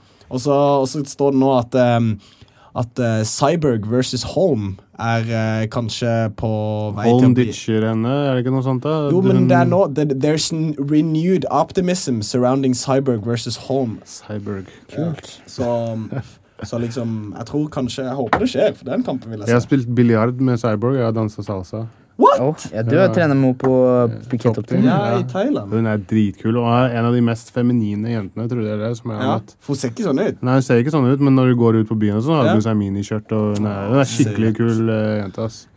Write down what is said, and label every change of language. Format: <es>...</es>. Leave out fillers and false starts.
<no>Og så står det nå at Cyborg versus Holm er kanskje på vei Holm til å bli... Holm ditcher henne, er det ikke noe sånt da? Jo, men det er nå...</no> <en>There's renewed optimism surrounding Cyborg versus Holm.</en> <no>Cyborg. Kult. Ja. Så liksom, jeg tror kanskje... Jeg håper det skjer, for den kampen vil jeg se. Jeg har spilt billiard med Cyborg, jeg har danset salsa.</no> <en>What? Oh,</en> <no>ja, du har trenet mot på Phuket opp til. Ja, i Thailand. Hun er dritkul, og er en av de mest feminine jentene, tror jeg det er, som jeg har møtt. Ja, for hun ser ikke sånn ut. Nei, hun ser ikke sånn ut, men når hun går ut på byen, så har hun seg minikjørt, og nei, hun er skikkelig kul jente, ass.</no>